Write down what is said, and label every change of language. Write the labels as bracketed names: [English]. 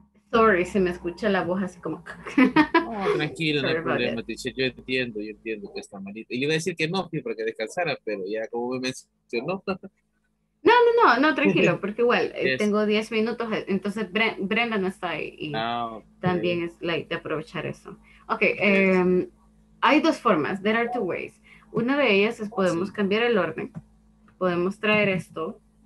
[English] Sorry, [Spanish] se me escucha la voz así como... Tranquilo, no hay problema, teacher, yo entiendo que está malita. Y le iba a decir que no, para que descansara, pero ya como me mencionó. No, tranquilo, porque igual, tengo 10 minutos, entonces Brenda no está ahí. Y también es like, de aprovechar eso. Ok, hay dos formas, [English] there are two ways. [Spanish] Una de ellas es podemos cambiar el orden, podemos traer esto.